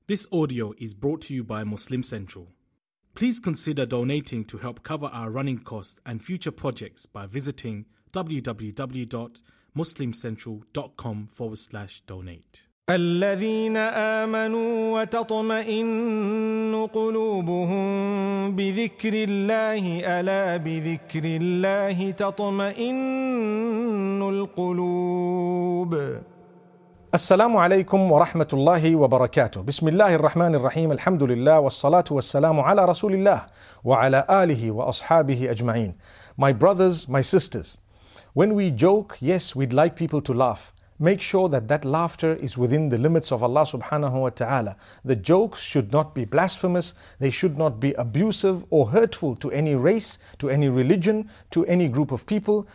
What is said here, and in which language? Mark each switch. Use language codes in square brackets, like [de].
[en] This audio is brought to you by Muslim Central. Please consider donating to help cover our running costs and future projects by visiting www.muslimcentral.com/donate. [ar] الذين آمنوا وتطمئن قلوبهم بذكر الله ألا بذكر الله تطمئن القلوب. السلام عليكم ورحمة الله وبركاته. بسم الله الرحمن الرحيم. الحمد لله والصلاة والسلام على رسول الله وعلى آله وأصحابه أجمعين. [en] My brothers, my sisters, when we joke, yes, we'd like people to laugh. Make sure that that laughter is within the limits of Allah subhanahu wa ta'ala. The jokes should not be blasphemous. They should not be abusive or hurtful to any race, to any religion, to any group of people.